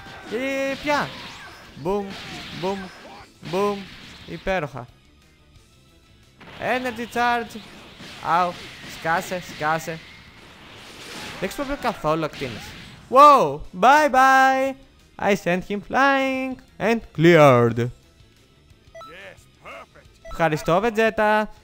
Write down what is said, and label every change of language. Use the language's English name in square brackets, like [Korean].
[Greek] Και πια! Μπούμ, μπούμ, μπούμ! Υπέροχα! [English] Energy charge! [Greek] Αου! Σκάσε, σκάσε! Δεν ξέρω καθόλου ακτίνες! [English] Wow! Bye bye! I sent him flying and cleared. [Greek] Yes, ευχαριστώ, Βετζέτα.